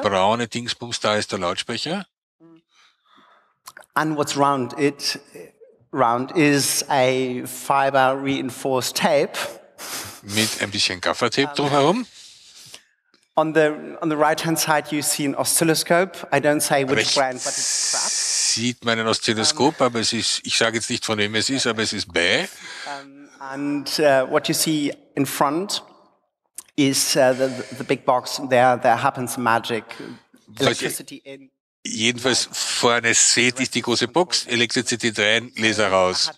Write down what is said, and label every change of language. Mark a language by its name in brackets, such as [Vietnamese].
[German] Dieses braune Dingsbums, da ist der Lautsprecher. [English] And what's round it? Round is a fiber reinforced tape. [German] Mit ein bisschen Gaffertape drumherum. [English] On the right hand side you see an oscilloscope. I don't say which brand, but it's crap. [German] Sieht man ein Oszilloskop, aber es ist, ich sage jetzt nicht von wem es ist, aber es ist bäh. [English] What you see in front is the big box, there happens magic, electricity in. [German] Jedenfalls vorne seht ich die große Box, Elektrizität rein, Laser raus.